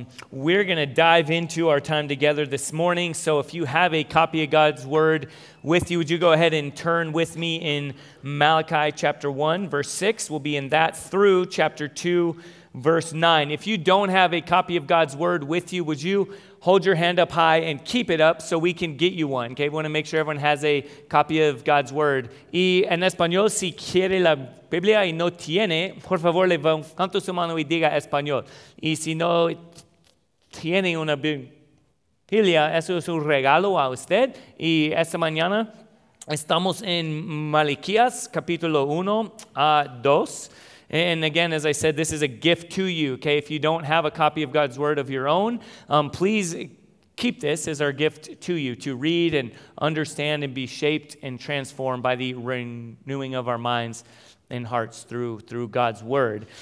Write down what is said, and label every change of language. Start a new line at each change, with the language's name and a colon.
English: We're going to dive into our time together this morning. So if you have a copy of God's word with you, would you go ahead and turn with me in Malachi chapter 1, verse 6. We'll be in that through chapter 2, verse 9. If you don't have a copy of God's word with you, would you hold your hand up high and keep it up so we can get you one? Okay. We want to make sure everyone has a copy of God's word.
Spanish: Y en español, si quiere la Biblia y no tiene, por favor, levante su mano y diga español. Y si no tiene una Biblia, eso es un regalo a usted. Y esta mañana estamos en Malaquías, capítulo 1 a 2.
English: And again, as I said, this is a gift to you, okay? If you don't have a copy of God's word of your own, please keep this as our gift to you to read and understand and be shaped and transformed by the renewing of our minds and hearts through God's word.